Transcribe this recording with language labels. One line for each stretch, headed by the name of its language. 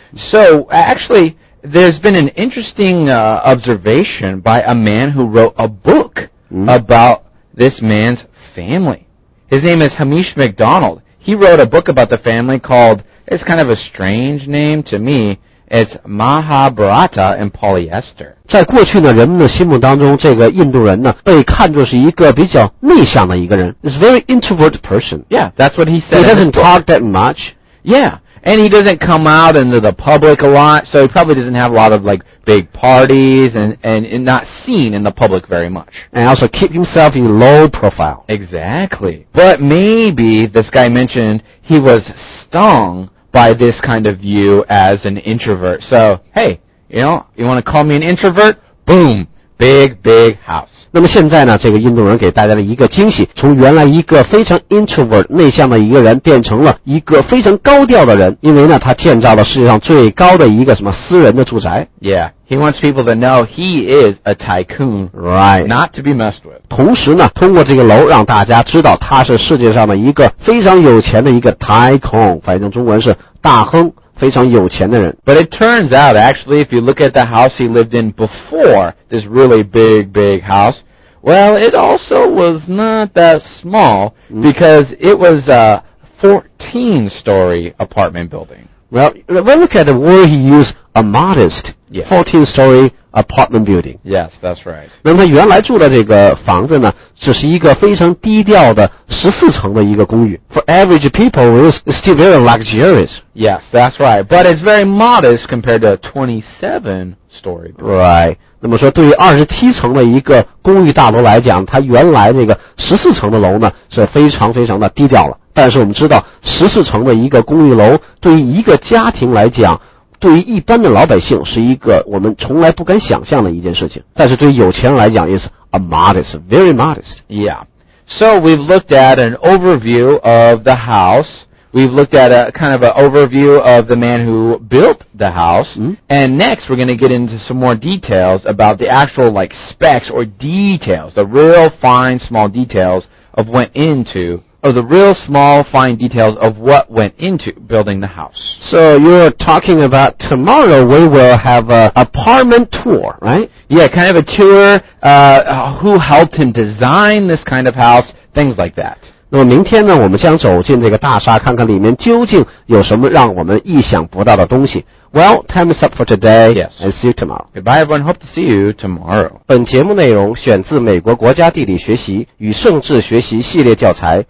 English: So, actually, there's been an interesting observation by a man who wrote a book about this man's family. His name is Hamish McDonald. He wrote a book about the family called, it's kind of a strange name to me, it's Mahabharata and Polyester.
Chinese: 在过去呢人们的心目当中这个印度人呢被看作是一个比较内向的一个人。
English: It's a very introvert person. Yeah, that's what he said. He doesn't talk that much. Yeah, and he doesn't come out into the public a lot, so he probably doesn't have a lot of like big parties and not seen in the public very much. And also keep himself in low profile. Exactly. But maybe this guy mentioned he was stung by this kind of view as an introvert. So, hey, you know, you want to call me an introvert? Boom! Big, big house.
Chinese: 那么现在呢，这个印度人给大家的一个惊喜，从原来一个非常 introvert 内向的一个人变成了一个非常高调的人，因为呢，他建造了世界上最高的一个什么私人的住宅。
English: Yeah, he wants people to know he is a tycoon, right? Not to be messed with.
Chinese: 同时呢，通过这个楼让大家知道他是世界上的一个非常有钱的一个 tycoon， 反正中文是大亨，非常有钱的人。
English: But it turns out, actually, if you look at the house he lived in before this really big, big house, well, it also was not that small because it was a 14-story apartment building. Well, when we look at the word he used, a modest 14-story apartment building. Yes, that's right.
Chinese: 那么他原来住的这个房子呢，只是一个非常低调的14层的一个公寓。
English: For average people, it's still very luxurious. Yes, that's right. But it's very modest compared to a 27-story building. Right.
Chinese: 那么说对于27层的一个公寓大楼来讲，他原来这个14层的楼呢，是非常非常的低调了。但是我们知道14层的一个公寓楼对于一个家庭来讲，对于一般的老百姓是一个我们从来不敢想象的一件事情，但是对于有钱人来讲
English: is a modest, very modest. Yeah. So we've looked at an overview of the house. We've looked at a kind of an overview of the man who built the house. And next we're going to get into some more details about the actual like specs or details, the real fine small details of went intoOf the real small fine details of what went into building the house. So you're talking about tomorrow we will have an apartment tour, right? Yeah, kind of a tour, who helped him design this kind of house, things like that.
Chinese: 那么明天呢我们将走进这个大厦看看里面究竟有什么让我们意想不到的东西。
English: Well, time is up for today. Yes. And see you tomorrow. Goodbye, everyone. Hope to see you tomorrow.
Chinese: 本节目内容选自美国国家地理学习与政治学习系列教材。